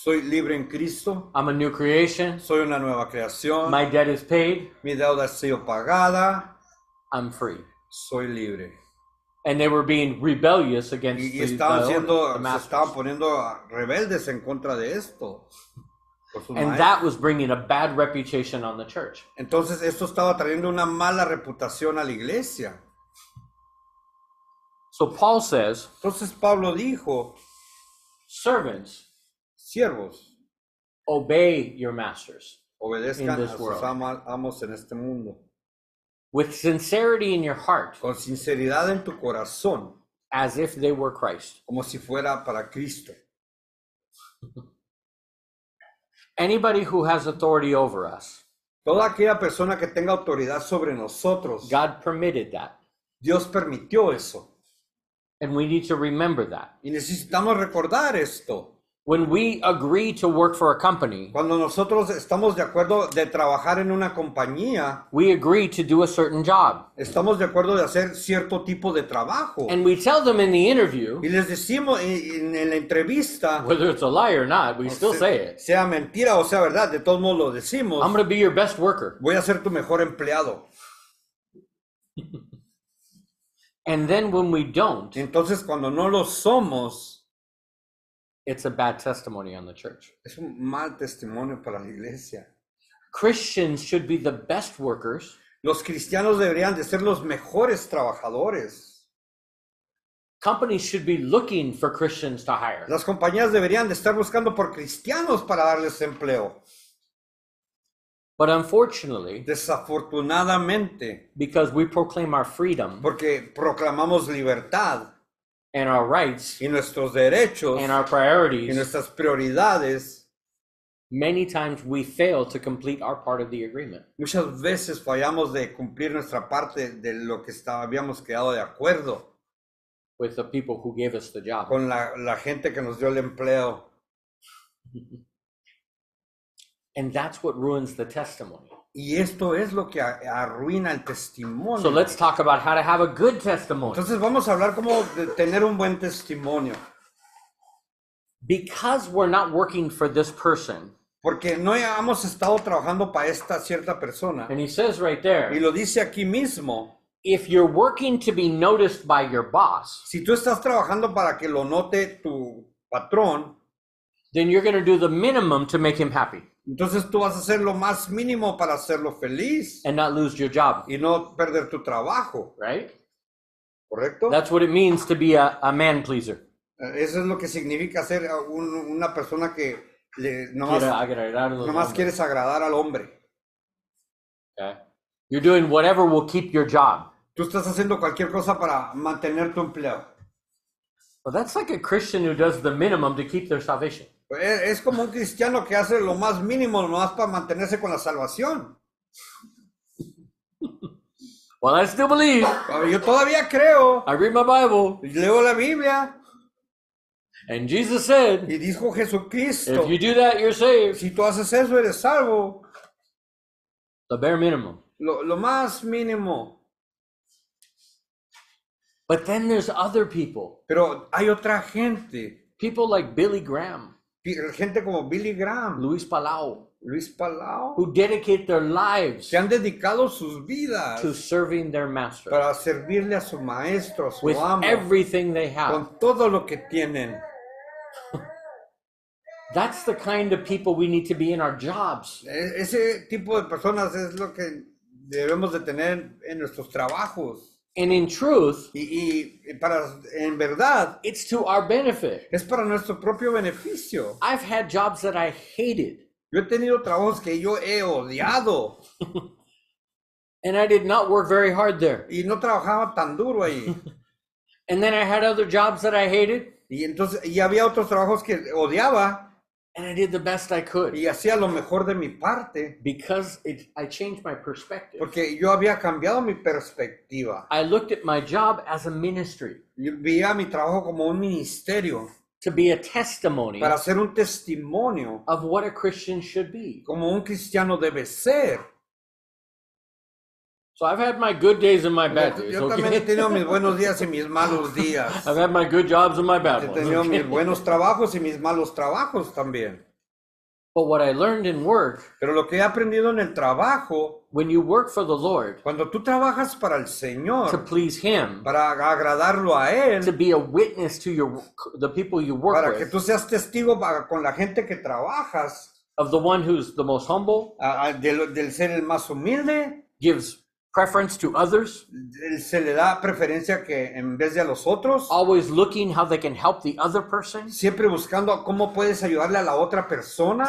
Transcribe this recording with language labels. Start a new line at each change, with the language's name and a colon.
Spanish: Soy libre en Cristo.
English: I'm a new creation.
Spanish: Soy una nueva creación.
English: My debt is paid.
Spanish: Mi deuda ha sido pagada.
English: I'm free.
Spanish: Soy libre.
English: And they were being rebellious against the masters.
Spanish: Se estaban poniendo rebeldes en contra de esto.
English: And that was bringing a bad reputation on the church.
Spanish: Entonces esto estaba trayendo una mala reputación a la iglesia.
English: So Paul says.
Spanish: Entonces Pablo dijo.
English: Servants.
Spanish: Siervos.
English: Obey your masters.
Spanish: Obedezcan
English: in this a world.
Spanish: Sus amos en este mundo.
English: With sincerity in your heart.
Spanish: Con sinceridad en tu corazón.
English: As if they were Christ.
Spanish: Como si fuera para Cristo.
English: Anybody who has authority over us.
Spanish: Toda aquella persona que tenga autoridad sobre nosotros.
English: God permitted that.
Spanish: Dios permitió eso.
English: And we need to remember that.
Spanish: Y necesitamos recordar esto.
English: When we agree to work for a company,
Spanish: cuando nosotros estamos de acuerdo de trabajar en una compañía,
English: we agree to do a certain job.
Spanish: Estamos de acuerdo de hacer cierto tipo de trabajo.
English: And we tell them in the interview,
Spanish: y les decimos en la entrevista,
English: whether it's a lie or not, we still say it.
Spanish: Sea mentira o sea verdad, de todos modos lo decimos.
English: I'm going to be your best worker.
Spanish: Voy a ser tu mejor empleado.
English: And then when we don't,
Spanish: entonces cuando no lo somos,
English: it's a bad testimony on the church.
Spanish: Es un mal testimonio para la iglesia.
English: Christians should be the best workers.
Spanish: Los cristianos deberían de ser los mejores trabajadores.
English: Companies should be looking for Christians to hire.
Spanish: Las compañías deberían de estar buscando por cristianos para darles empleo.
English: But unfortunately,
Spanish: desafortunadamente,
English: because we proclaim our freedom,
Spanish: porque proclamamos libertad,
English: and our rights,
Spanish: y nuestros derechos,
English: and our priorities,
Spanish: y nuestras prioridades,
English: many times we fail to complete our part of the agreement.
Spanish: Muchas veces fallamos de cumplir nuestra parte de lo que habíamos quedado de acuerdo.
English: With the people who gave us the job.
Spanish: Con la gente que nos dio el empleo.
English: And that's what ruins the testimony.
Spanish: Y esto es lo que arruina el testimonio.
English: So let's talk about how to have a good testimony.
Spanish: Entonces vamos a hablar cómo tener un buen testimonio.
English: Because we're not working for this person.
Spanish: Porque no hemos estado trabajando para esta cierta persona.
English: And he says right there.
Spanish: Y lo dice aquí mismo.
English: If you're working to be noticed by your boss,
Spanish: si tú estás trabajando para que lo note tu patrón,
English: then you're going to do the minimum to make him happy.
Spanish: Entonces tú vas a hacer lo más mínimo para hacerlo feliz.
English: And not lose your job.
Spanish: Y no perder tu trabajo.
English: Right?
Spanish: Correcto.
English: That's what it means to be a man pleaser.
Spanish: Eso es lo que significa ser una persona que nomás quieres agradar al hombre.
English: Okay. You're doing whatever will keep your job.
Spanish: Tú estás haciendo cualquier cosa para mantener tu empleo.
English: Well, that's like a Christian who does the minimum to keep their salvation.
Spanish: Es como un cristiano que hace lo más mínimo nomás para mantenerse con la salvación.
English: Well, I still believe.
Spanish: Yo todavía creo.
English: I read my Bible.
Spanish: Leo la Biblia.
English: And Jesus said,
Spanish: y dijo Jesucristo,
English: if you do that, you're saved.
Spanish: Si tú haces eso, eres salvo.
English: The bare minimum.
Spanish: Lo más mínimo.
English: But then there's other people.
Spanish: Pero hay otra gente.
English: People like Billy Graham.
Spanish: Gente como Billy Graham.
English: Luis Palau. Who dedicate their lives.
Spanish: Que han dedicado sus vidas.
English: To serving their master.
Spanish: Para servirle a su maestro, a su
English: with
Spanish: amo.
English: With everything they have.
Spanish: Con todo lo que tienen.
English: That's the kind of people we need to be in our jobs.
Spanish: Ese tipo de personas es lo que debemos de tener en nuestros trabajos.
English: And in truth,
Spanish: en verdad,
English: it's to our benefit.
Spanish: Es para nuestro propio beneficio.
English: I've had jobs that I hated.
Spanish: Yo he tenido trabajos que yo he odiado.
English: And I did not work very hard there.
Spanish: Y no trabajaba tan duro ahí.
English: And then I had other jobs that I hated.
Spanish: Y había otros trabajos que odiaba.
English: And I did the best I could.
Spanish: Y hacía lo mejor de mi parte.
English: Because I changed my perspective.
Spanish: Porque yo había cambiado mi perspectiva.
English: I looked at my job as a ministry.
Spanish: Yo veía mi trabajo como un ministerio.
English: To be a testimony.
Spanish: Para ser un testimonio.
English: Of what a Christian should be.
Spanish: Como un cristiano debe ser.
English: So I've had my good days and my bad days.
Spanish: Yo también he tenido mis buenos días y mis malos días.
English: I've had my good jobs and my bad ones.
Spanish: He tenido mis buenos trabajos y mis malos trabajos también.
English: But what I learned in work.
Spanish: Pero lo que he aprendido en el trabajo.
English: When you work for the Lord.
Spanish: Cuando tú trabajas para el Señor.
English: To please Him.
Spanish: Para agradarlo a Él.
English: To be a witness to the people you work
Spanish: para
English: with.
Spanish: Para que tú seas testigo con la gente que trabajas.
English: Of the one who's the most humble.
Spanish: Del ser el más humilde.
English: Gives preference to others.
Spanish: Se le da preferencia que en vez de a los otros.
English: Always looking how they can help the other person.
Spanish: Siempre buscando cómo puedes ayudarle a la otra persona.